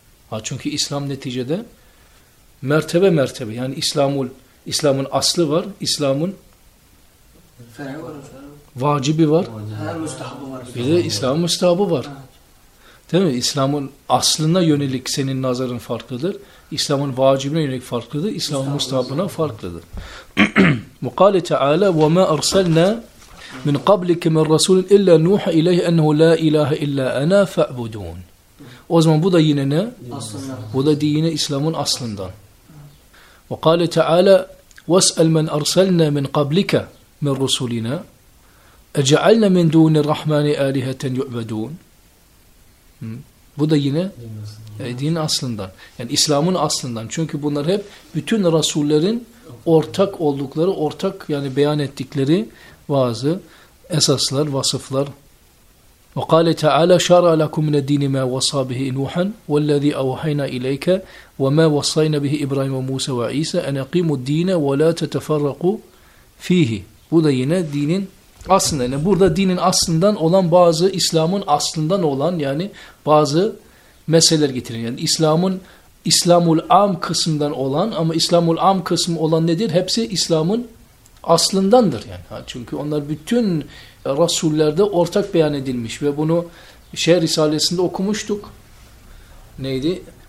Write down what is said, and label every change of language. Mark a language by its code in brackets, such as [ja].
[tr] Ha çünkü İslam neticede mertebe mertebe yani İslam'ın aslı var, İslam'ın vacibi var, bir de İslam'ın müstahabı var. Değil mi? İslam'ın aslına yönelik senin nazarın farklıdır, İslam'ın vacibine yönelik farklıdır, İslam'ın müstahabına farklıdır. [ar] Mukale Teala وَمَا أَرْسَلْنَا مِنْ قَبْلِكَ مِنْ رَسُولٍ إِلَّا نُوحَ إِلَيْهِ أَنَّهُ لَا إِلَٰهَ إِلَّا أَنَا فَاعْبُدُونَ. [tr] O zaman bu da yine ne? Aslında. Bu da yine İslam'ın aslından. [ar] Ve kâle teâlâ وَاسْأَلْ مَنْ أَرْسَلْنَا مِنْ قَبْلِكَ مِنْ رُسُولِنَا اَجَعَلْنَا مِنْ دُونِ الرَّحْمَانِ آلِهَةً يُعْبَدُونَ. [tr] Bu da yine dinin aslından. Yani İslam'ın aslından. Çünkü bunlar hep bütün Resullerin ortak oldukları, ortak yani beyan ettikleri bazı esaslar, vasıflar. [ar] وقال تعالى شرع لكم من الدين ما وصى به نوحا والذي أوحينا إليك وما وصينا به إبراهيم وموسى وعيسى أن يقيموا الدين ولا تتفرقوا فيه. [tr] Bu da yine dinin aslında yani burada dinin aslından olan bazı İslam'ın aslından olan yani bazı meseleler getirin. Yani İslam'ın İslamul Am kısmından olan ama İslamul Am kısmı olan nedir? Hepsi İslam'ın aslındandır yani. Ha, çünkü onlar bütün Resullerde ortak beyan edilmiş ve bunu şey Risalesi'nde okumuştuk. Neydi?